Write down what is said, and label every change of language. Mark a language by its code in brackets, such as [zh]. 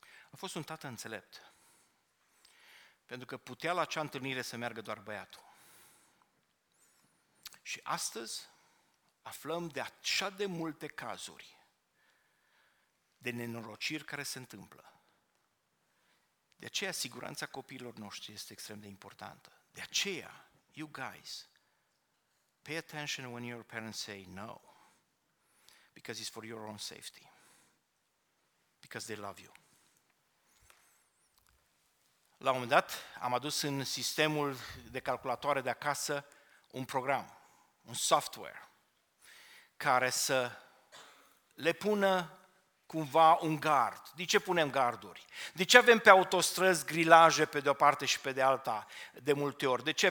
[ro] A fost un tată înțelept. Pentru că putea la acea întâlnire să meargă doar băiatul. Și astăzi aflăm de așa de multe cazuri de nenorociri care se întâmplă. De aceea siguranța copiilor noștri este extrem de importantă. De aceea, [en] you guys, pay attention when your parents say no, because it's for your own safety, because they love you. [ro] La un moment dat am adus în sistemul de calculatoare de acasă un program, un software, care să le pună cumva un gard. De ce punem garduri? De ce avem pe autostrăzi grilaje pe de-o parte și pe de alta de multe ori? De ce?